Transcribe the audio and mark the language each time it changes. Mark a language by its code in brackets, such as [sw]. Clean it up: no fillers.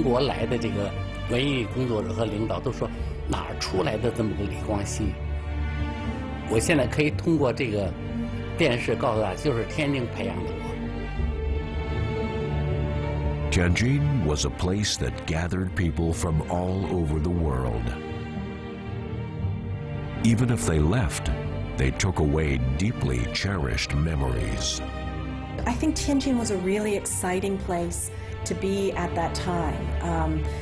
[en] I think that Tianjin is a place where I have been born. [zh] 哪儿出来的这么个李光羲？我现在可以通过这个电视告诉大家，就是天津培养的我。 [en] Tianjin was a place that gathered people from all over the world. Even if they left, they took away deeply cherished memories. I think Tianjin was a really exciting place to be at that time.